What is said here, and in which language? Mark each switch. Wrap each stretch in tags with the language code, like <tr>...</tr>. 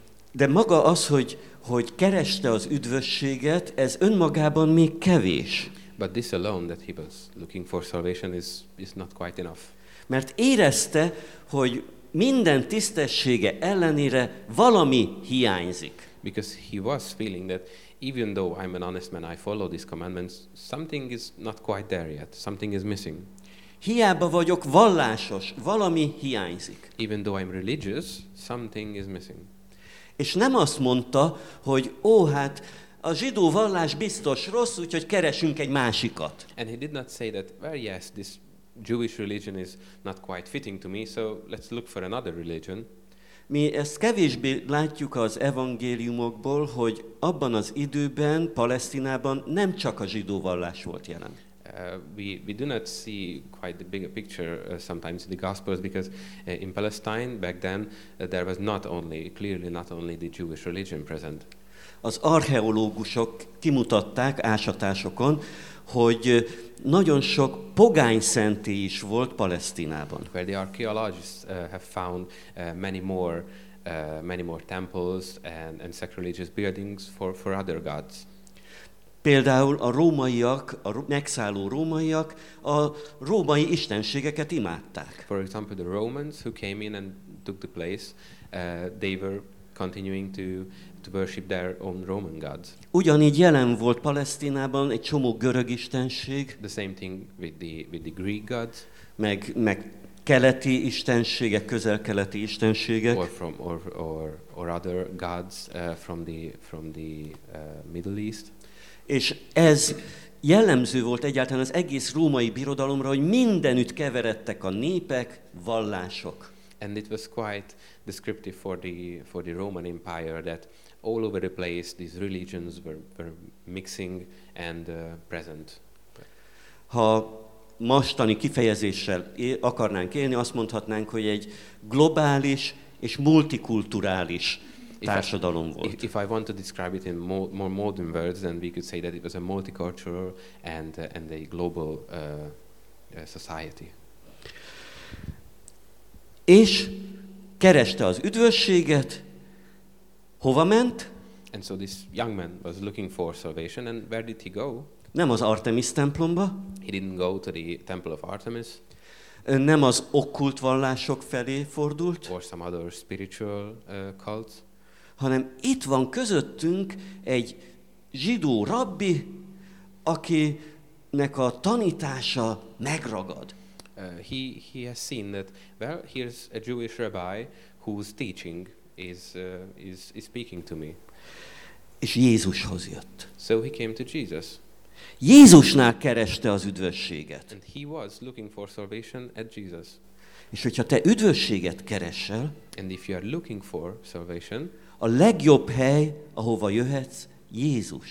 <hu>De maga az, hogy kereste az üdvösséget, ez önmagában még kevés.</hu> <en>But this alone that he was looking for salvation is not quite enough.</en> <hu>Mert érezte, hogy minden tisztessége ellenére valami hiányzik.</hu> <en>Because he was feeling that even though I'm an honest man, I follow these commandments, something is not quite there yet. Something is missing.</en> <hu>Hiába vagyok vallásos, valami hiányzik.</hu> <en>Even though I'm religious, something is missing.</en> <hu>És nem azt mondta, hogy ó, hát a zsidó vallás biztos rossz, úgyhogy keresünk egy másikat.</hu> <en>And he did not say that, well, yes, this Jewish religion is not quite fitting to me, so let's look for another religion.</en> <hu>Mi ezt kevésbé látjuk az evangéliumokból, hogy abban az időben Palesztinában nem csak a zsidó vallás volt jelen.</hu> <en>We do not see quite the bigger picture sometimes in the Gospels because in Palestine back then there was not only the Jewish religion present.</en> <hu>Az archeológusok kimutatták ásatásokon, hogy nagyon sok pogány szentély is volt Palesztinában.</hu> <en>Well, the archaeologists have found many more temples and sacrilegious buildings for other gods.</en> <hu>Például a rómaiak, a megszálló rómaiak a római istenségeket imádták.</hu> <en>For example, the Romans who came in and took the place, they were continuing to worship their own Roman gods.</en> <hu>Ugyanígy jelen volt Palesztinában egy csomó görög istenség.</hu> <en>The same thing with the Greek gods.</en> <hu>Meg keleti istenségek, közel-keleti istenségek,</hu> <en>or other gods from the Middle East.</en> <hu>És ez jellemző volt egyáltalán az egész római birodalomra, hogy mindenütt keveredtek a népek, vallások.</hu> <en>And it was quite descriptive for the Roman Empire that all over the place these religions were mixing and present.</en> <hu>Ha mostani kifejezéssel akarnánk élni, azt mondhatnánk, hogy egy globális és multikulturális társadalom volt.</hu> <en>If I want to describe it in more modern words, then we could say that it was a multicultural and a global society.</en> <hu>És kereste az üdvösséget, hova ment?</hu> <en>And so this young man was looking for salvation, and where did he go?</en> <hu>Nem az Artemis templomba.</hu> <en>He didn't go to the temple of Artemis.</en> <hu>Nem az okkult vallások felé fordult.</hu> <en>Or some other spiritual cults.</en> <hu>Hanem itt van közöttünk egy zsidó rabbi, akinek a tanítása megragad.</hu> <en>He has seen that, well, here's a Jewish rabbi whose teaching is speaking to me.</en> <hu>És Jézushoz jött.</hu> <en>So he came to Jesus.</en> <hu>Jézusnál kereste az üdvösséget.</hu> <en>And he was looking for salvation at Jesus.</en> <hu>És hogyha te üdvösséget keresel,</hu> <en>and if you are looking for salvation,</en> <hu>a legjobb hely, ahova jöhetsz, Jézus.</hu>